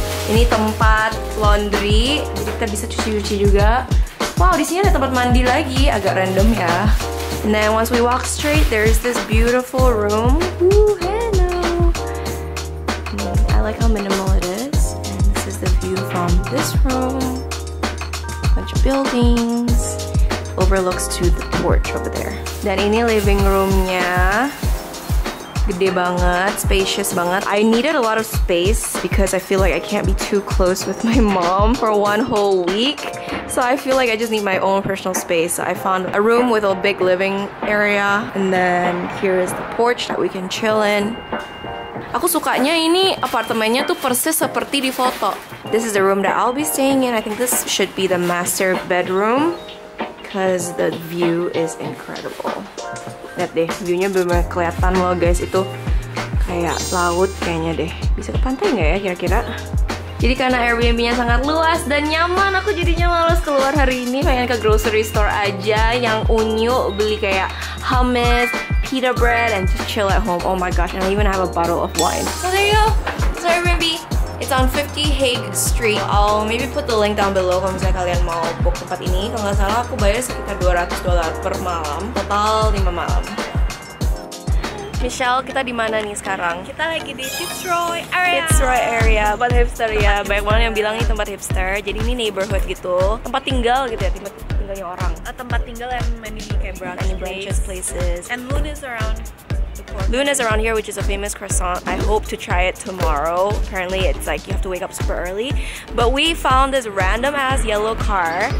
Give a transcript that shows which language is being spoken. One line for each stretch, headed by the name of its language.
Indonesian: Ini tempat laundry, jadi kita bisa cuci-cuci juga. Wow, di sini ada tempat mandi lagi, agak random ya.
English: And then once we walk straight, there's this beautiful room. Ooh, hello. I like how minimal it is. And this is the view from this room. A bunch of buildings. Overlooks to the porch over there.
Indonesian: Dan ini living room-nya. Gede banget, spacious banget.
English: I needed a lot of space because I feel like I can't be too close with my mom for one whole week. So I feel like I just need my own personal space. So I found a room with a big living area. And then here is the porch that we can chill in.
Indonesian: Aku sukanya ini apartemennya tuh persis seperti di foto.
English: This is the room that I'll be staying in. I think this should be the master bedroom because the view is incredible.
Indonesian: Lihat deh, view-nya bener-bener kelihatan loh guys, itu kayak laut kayaknya deh. Bisa ke pantai nggak ya kira-kira? Jadi karena Airbnb-nya sangat luas dan nyaman, aku jadinya malas keluar hari ini. Pengen ke
English: grocery store
Indonesian: aja yang unyu, beli kayak
English: hummus, pita bread, and just chill at home. Oh my gosh, and I even have a bottle of wine. So there you go, it's Airbnb. It's on 50 Hague Street. I'll maybe put the link down below
Indonesian: kalau misalnya kalian mau book tempat ini. Kalau nggak salah aku bayar sekitar $200 per malam, total 5 malam. Michelle, kita di mana nih sekarang? Kita lagi di Fitzroy area. Fitzroy area, tempat hipster ya. Banyak banget yang bilang ini tempat hipster. Jadi ini neighborhood gitu, tempat tinggal gitu ya, tempat tinggalnya orang. Tempat tinggal yang
English: many branches places. And Loon is around. Luna's around here, which is a famous croissant. I hope to try it tomorrow. Apparently, it's like you have to wake up super early. But we found this random-ass yellow car.